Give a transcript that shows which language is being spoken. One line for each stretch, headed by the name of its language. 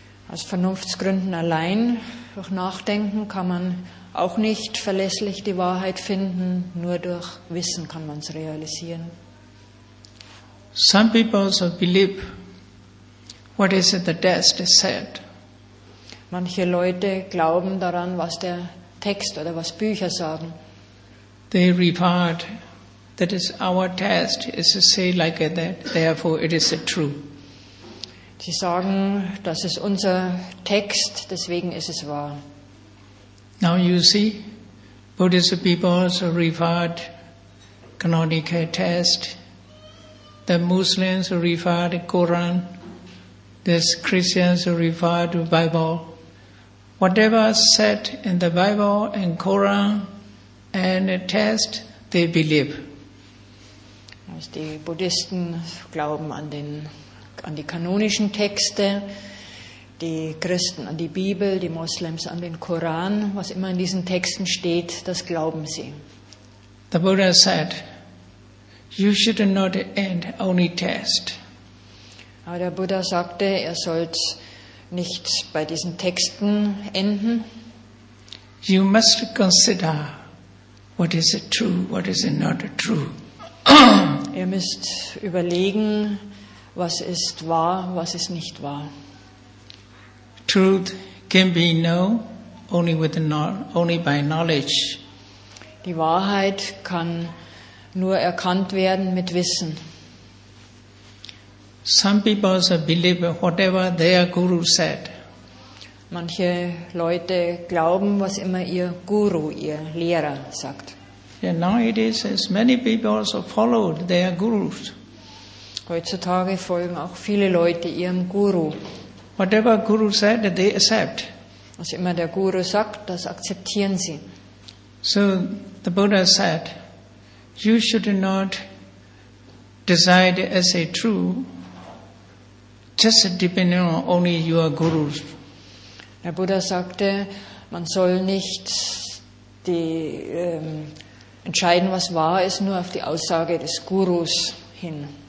German: Aus Vernunftsgründen allein, durch Nachdenken kann man auch nicht verlässlich die Wahrheit finden. Nur durch Wissen kann man es realisieren.
English: Some people also believe what is the text said.
German: Manche Leute glauben daran, was der Text oder was Bücher sagen.
English: They regard that is our test, is to say like that, therefore it is true.
German: Sie sagen, das ist unser Text, deswegen ist es wahr.
English: Now you see, Buddhist people also regard canonical text. The Muslims regard the Quran. The Christians regard the Bible. Whatever said in the Bible and Quran and the text, they believe.
German: Die Buddhisten glauben an die kanonischen Texte, die Christen an die Bibel, die Moslems an den Koran. Was immer in diesen Texten steht, das glauben sie.
English: The Buddha said, you should not end only test.
German: Aber der Buddha sagte, er soll nicht bei diesen Texten enden.
English: You must consider what is true, what is not true.
German: Ihr müsst überlegen, was ist wahr, was ist nicht wahr.
English: Truth can be known only by knowledge.
German: Die Wahrheit kann nur erkannt werden mit Wissen.
English: Some people believe whatever their guru said.
German: Manche Leute glauben, was immer ihr Guru, ihr Lehrer sagt.
English: Yeah, nowadays, as many people also followed their gurus.
German: Heutzutage folgen auch viele Leute ihrem Guru.
English: Whatever guru said, they accept.
German: Was immer der Guru sagt, das akzeptieren sie.
English: So the Buddha said, you should not decide as a true, just depending on only your gurus.
German: Der Buddha sagte, man soll nicht die entscheiden, was wahr ist, nur auf die Aussage des Gurus hin.